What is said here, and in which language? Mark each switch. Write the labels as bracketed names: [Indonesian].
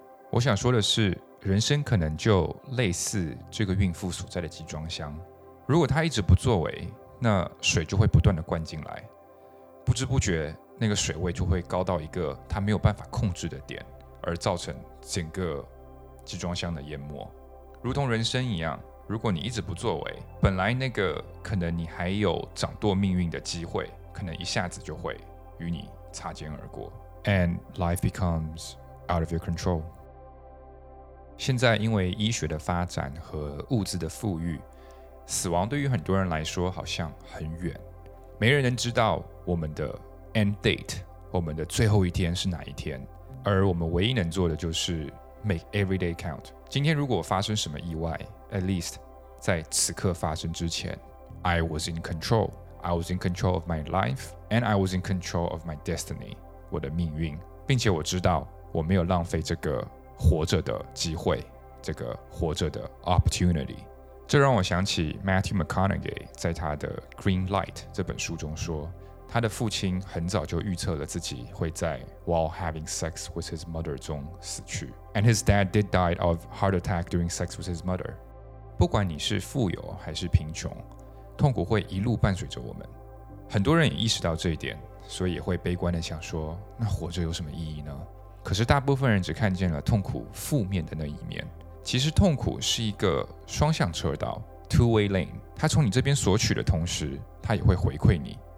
[Chinese] 我想说的是，人生可能就类似这个孕妇所在的集装箱，如果她一直不作为，那水就会不断的灌进来，不知不觉那个水位就会高到一个她没有办法控制的点，而造成整个集装箱的淹没。如同人生一样，如果你一直不作为，本来那个可能你还有掌舵命运的机会，可能一下子就会与你擦肩而过。 [English] And life becomes out of your control. [Chinese] 现在因为医学的发展和物资的富裕，死亡对于很多人来说好像很远。没人能知道我们的 [English] end date， [Chinese] 我们的最后一天是哪一天。而我们唯一能做的就是 [English] make every day count。 [Chinese] 今天如果发生什么意外， [English] At least, [Chinese] 在此刻发生之前 [English] I was in control. I was in control of my life, and I was in control of my destiny, [Chinese] 我的命运，并且我知道我没有浪费这个活着的 [English] 机会，这个活着的 opportunity. [Chinese] 这让我想起 Matthew McConaughey 在他的 Green Light 这本书中说，他的父亲很早就预测了自己会在 [English] while having sex with his mother [Chinese] 中死去。 [English] And his dad did die of heart attack during sex with his mother. [Chinese] 不管你是富有还是贫穷，痛苦会一路伴随着我们。很多人也意识到这一点，所以也会悲观地想说，那活着有什么意义呢？可是大部分人只看见了痛苦负面的那一面。其实痛苦是一个双向车道 [English] two-way lane， [Chinese] 它从你这边索取的同时，它也会回馈你。